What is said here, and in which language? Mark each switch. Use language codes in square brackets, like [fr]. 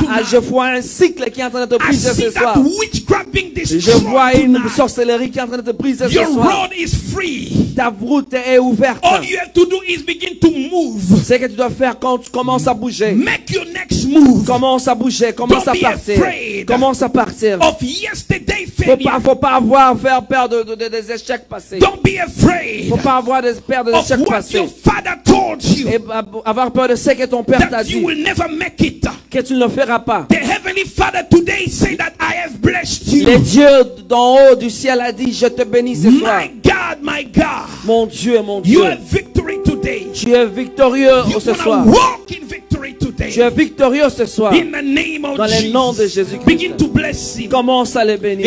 [fr] Je vois un cycle qui est en train d'être brisé ce soir. Je vois une sorcellerie qui est en train d'être brisée ce soir. [en] Your road is free. [fr] Ta route est ouverte. [en] All you have to do is begin to move. [fr] Ce que tu dois faire quand tu commences à bouger. [en] Make your next move. [fr] Commence à bouger, commence à partir. Commence à partir. [en] Of yesterday failure. [fr] Faut pas avoir faire peur des échecs passés. [en] Don't be afraid. [fr] Faut pas avoir peur de l'échec passé. Et avoir peur de ce que ton père t'a dit. [en] You will never make it. [fr] Que tu ne le feras pas. [en] The heavenly Father today say that I have blessed you. [fr] Le Dieu d'en haut du ciel a dit, je te bénis ce soir. [en] My God, my God. [fr] Mon Dieu. [en] You have victory today. [fr] Tu es victorieux ce soir. [en] Walk in victory today. [fr] Tu es victorieux ce soir. [en] In the name of [fr] dans le nom de Jésus [en] Christ. Begin to bless him. [fr] Commence à le bénir.